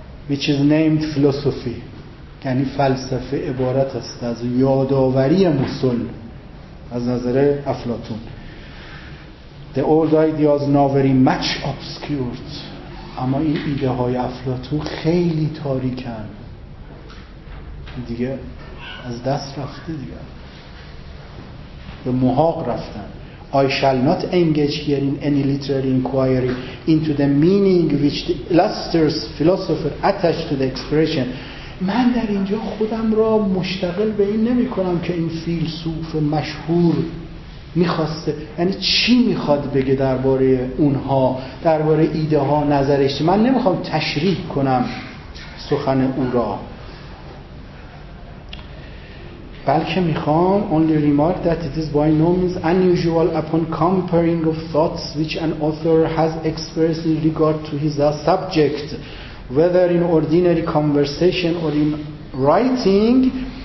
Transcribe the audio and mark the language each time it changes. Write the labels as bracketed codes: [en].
[en] Which is named philosophy، [fa] یعنی فلسفه عبارت است از یادآوری مصول از نظر افلاطون. [en] The old ideas now very much obscured [fa] اما این ایده های افلاطون خیلی تاریکن دیگه، از دست رفته دیگه، به محاق رفتن. [en] I shall not engage here in any literary inquiry into the meaning which the illustrious philosopher attached to the expression. [fa] من در اینجا خودم را مشتغل به این نمی کنم که این فیلسوف مشهور میخواسته، یعنی چی میخواد بگه درباره اونها، درباره ایده ها، نظرش. من نمیخوام تشریح کنم سخن او را، بلکه میخوام [en] only remark that it is by no means unusual upon comparing of thoughts which an author has expressed in regard to his subject, whether in ordinary conversation or in writing.